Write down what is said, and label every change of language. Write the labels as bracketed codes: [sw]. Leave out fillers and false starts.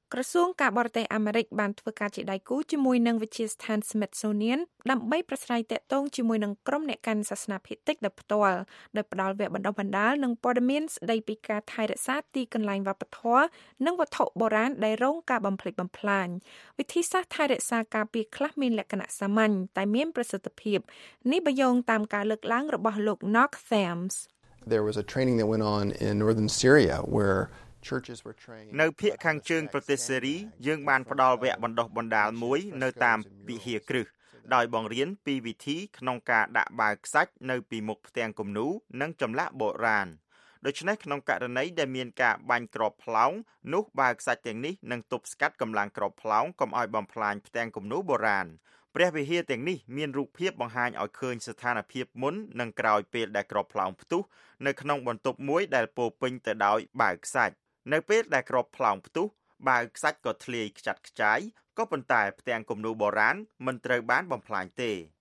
[km] ក្រសួងការបរទេសអាមេរិកបានធ្វើការជាដៃគូជាមួយនឹងវិទ្យាស្ថាន Smithsonian ដើម្បីប្រស្រ័យទាក់ទងជាមួយនឹងក្រុមអ្នកកាន់សាសនាភេទិចដែលផ្ទាល់ដោយផ្ដល់វគ្គបណ្ដុះបណ្ដាលនិងព័ត៌មានស្ដីពីការថែរក្សាទីកន្លែងវប្បធម៌និងវត្ថុបុរាណដែលរងការបំផ្លិចបំផ្លាញវិធីសាស្ត្រថែរក្សាការពារខ្លះមានលក្ខណៈសាមញ្ញតែមានប្រសិទ្ធភាពនេះបយងតាមការលើកឡើងរបស់លោក Knox Sams [en] There was a training that went on in northern Syria whereChurches were trained [km] នៅភៀកខាងជើងប្រទេសសេរីយើងបានផ្ដល់វគ្គបណ្ដុះបណ្ដាលមួយនៅតាមវិហារគ្រឹះដោយបង្រៀនពីវិធីក្នុងការដាក់បាវខ្សាច់នៅពីមុខផ្ទាំងគំនូរនិងចម្លាក់បុរាណ ដូច្នេះក្នុងករណីដែលមានការបាញ់គ្រាប់ផ្លោងនោះបាវខ្សាច់ទាំងនេះនឹងទប់ស្កាត់កម្លាំងគ្រាប់ផ្លោងកុំឲ្យបំផ្លាញផ្ទាំងគំនូរបុរាណព្រះវិហារទាំងនេះមានរូបភាពបង្ហាញឲ្យឃើញស្ថានភាពមុននិងក្រោយពេលដែលគ្រាប់ផ្លោងផ្ទុះនៅក្នុងបន្ទប់មួយដែលពោពេញទៅដោយបាវខ្សាច់នៅពេលដែលក្របផ្លោងផ្ទុះបាវខ្សាច់ក៏ធ្លាយខ្ចាត់ខ្ចាយក៏ប៉ុន្តែផ្ទាំងគំនូរបុរាណមិនត្រូវបានបំផ្លាញទេ